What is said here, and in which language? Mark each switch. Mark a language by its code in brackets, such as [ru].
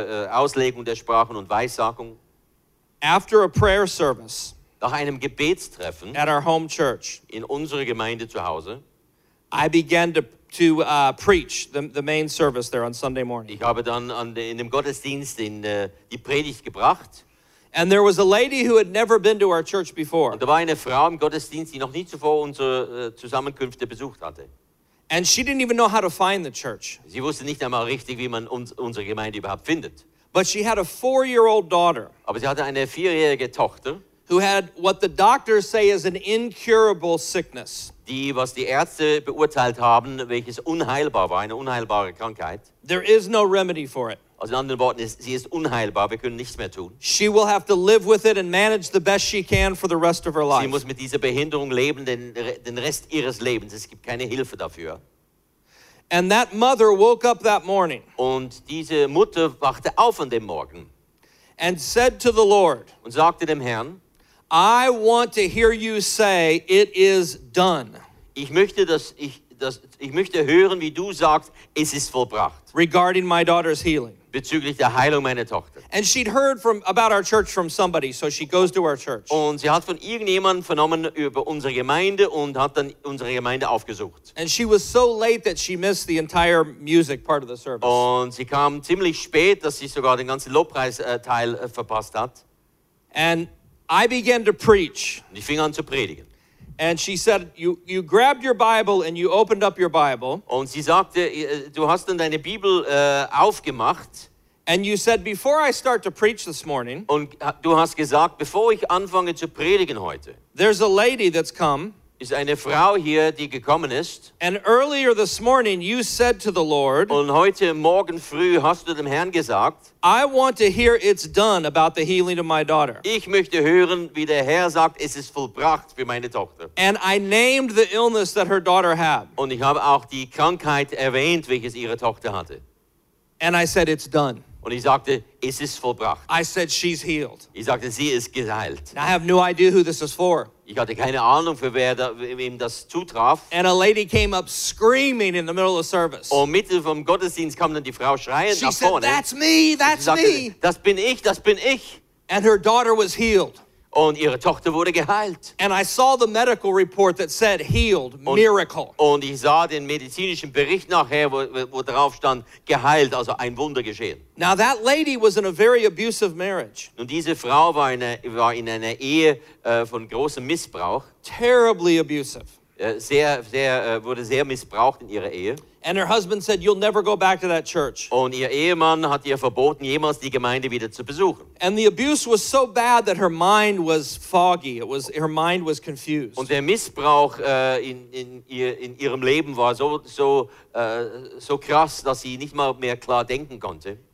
[de] Auslegung der Sprachen und Weissagung. [en] After a prayer service. [de] Nach einem Gebetstreffen. [en] At our home church. [de] In unserer Gemeinde zu Hause. [en] I began to preach the main service there on Sunday morning. [de] Ich habe dann in dem Gottesdienst die Predigt gebracht. [en] And there was a lady who had never been to our church before. [de] Und da war eine Frau im Gottesdienst, die noch nie zuvor unsere Zusammenkünfte besucht hatte. [en] And she didn't even know how to find the church. [de] Sie wusste nicht einmal richtig, wie man unsere Gemeinde überhaupt findet. [en] But she had a 4-year-old daughter. [de] Aber sie hatte eine 4-jährige Tochter. [en] Who had what the doctors say is an incurable sickness. [de] Die, was die Ärzte beurteilt haben, welches unheilbar war, eine unheilbare Krankheit. [en] There is no remedy for it. [de] Also in anderen Worten, sie ist unheilbar, wir können nichts mehr tun. [en] She will have to live with it and manage the best she can for the rest of her life. [de] Sie muss mit dieser Behinderung leben den Rest ihres Lebens. Es gibt keine Hilfe dafür. [en] And that mother woke up that morning. [de] Und diese Mutter wachte auf an dem Morgen. [en] And said to the Lord. [de] Und sagte dem Herrn. [en] I want to hear you say it is done. [de] Ich möchte hören, wie du sagst, es ist vollbracht. [en] Regarding my daughter's healing. [de] Bezüglich der Heilung meiner Tochter. [en] And she'd heard from about our church from somebody, so she goes to our church. [de] Und sie hat von irgendjemandem vernommen über unsere Gemeinde und hat dann unsere Gemeinde aufgesucht. [en] And she was so late that she missed the entire music part of the service. [de] Und sie kam ziemlich spät, dass sie sogar den ganzen Lobpreisteil verpasst hat. [en] And I began to preach. [de] Ich fing an zu predigen. [en] And she said, you grabbed your Bible and you opened up your Bible. [de] Und sie sagte, du hast dann deine Bibel aufgemacht. [en] And you said, before I start to preach this morning. [de] Und du hast gesagt, bevor ich anfange zu predigen heute. [en] There's a lady that's come. [de] Ist eine Frau hier, die gekommen ist. [en] And earlier this morning you said to the Lord. [de] Und heute Morgen früh hast du dem Herrn gesagt. [en] I want to hear it's done about the healing of my daughter. [de] Ich möchte hören, wie der Herr sagt, es ist vollbracht für meine Tochter. [en] And I named the illness that her daughter had. [de] Und ich habe auch die Krankheit erwähnt, welches ihre Tochter hatte. [en] And I said it's done. [de] Und ich sagte, es ist vollbracht. [en] I said she's healed. [de] Ich sagte, sie ist geheilt. [en] I have no idea who this is for. [de] Ich hatte keine Ahnung, für wer wem das zutraf. [en] And a lady came up screaming in the middle of service. [de] Und mitten vom Gottesdienst kam dann die Frau schreiend nach vorne. [en] She said, "That's me, that's me." [de] Das bin ich, das bin ich. [en] And her daughter was healed. [de] Und ihre Tochter wurde geheilt. [en] And I saw the medical report that said healed, miracle. [de] Und ich sah den medizinischen Bericht nachher, wo drauf stand, geheilt, also ein Wunder geschehen. [en] Now that lady was in a very abusive marriage. [de] Und diese Frau war in einer Ehe von großem Missbrauch. [en] Terribly abusive. [de] Wurde sehr missbraucht in ihrer Ehe. [en] And her husband said, "You'll never go back to that church." [de] Und ihr Ehemann hat ihr verboten, jemals die Gemeinde wieder zu besuchen. [en] And the abuse was so bad that her mind was foggy. Her mind was confused. [de] Und der Missbrauch in ihrem Leben war so krass, dass sie nicht mal mehr klar denken konnte.